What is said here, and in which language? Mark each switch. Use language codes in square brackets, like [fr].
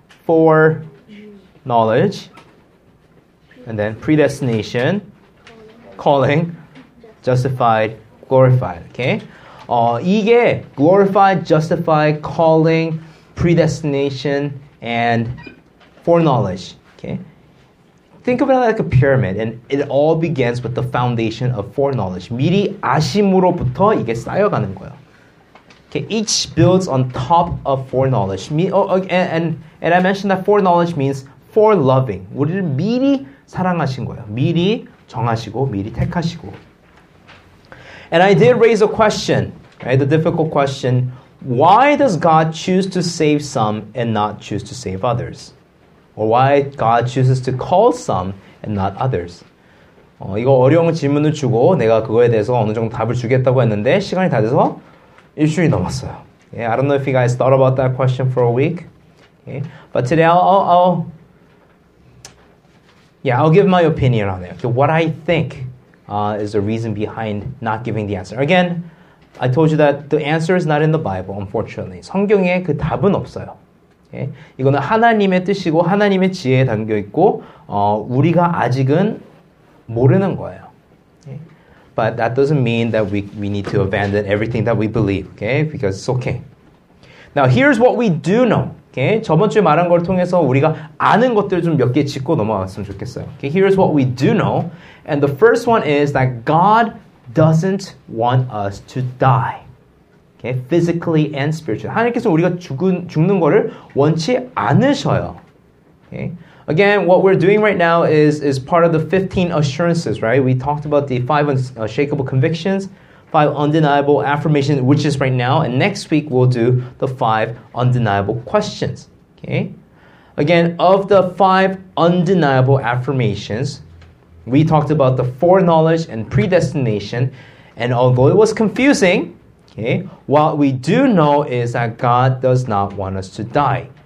[en] For knowledge, and then predestination, calling, justified, glorified. Okay, [ko] 이게 [en] glorified, justified, calling, predestination, and foreknowledge. Okay, think of it like a pyramid, and it all begins with the foundation of foreknowledge. [ko] 미리 아심으로부터 이게 쌓여가는 거예요. [en] Okay, each builds on top of foreknowledge. And I mentioned that foreknowledge means foreloving. [ko] 우리를 미리 사랑하신 거예요. 미리 정하시고, 미리 택하시고. [en] And I did raise a question, right? The difficult question. Why does God choose to save some and not choose to save others? Or why God chooses to call some and not others? [ko] 이거 어려운 질문을 주고 내가 그거에 대해서 어느 정도 답을 주겠다고 했는데 시간이 다 돼서 일주일 넘었어요. [en] Yeah, I don't know if you guys thought about that question for a week. Okay. But today I'll give my opinion on it. Okay, what I think is the reason behind not giving the answer. Again, I told you that the answer is not in the Bible, unfortunately. [ko] 성경에 그 답은 없어요. Okay. 이거는 하나님의 뜻이고 하나님의 지혜에 담겨 있고 우리가 아직은 모르는 거예요. [en] But that doesn't mean that we need to abandon everything that we believe, okay? Because it's okay. Now, here's what we do know, okay? [ko] 저번 주에 말한 걸 통해서 우리가 아는 것들 좀 몇 개 짚고 넘어갔으면 좋겠어요. [en] Okay, here's what we do know. And the first one is that God doesn't want us to die, okay? Physically and spiritually. [ko] 하나님께서 우리가 죽는 거를 원치 않으셔요, okay? [en] Again, what we're doing right now is part of the 15 assurances, right? We talked about the 5 unshakable convictions, 5 undeniable affirmations, which is right now, and next week we'll do the 5 undeniable questions, okay? Again, of the 5 undeniable affirmations, we talked about the foreknowledge and predestination, and although it was confusing, okay, what we do know is that God does not want us to die.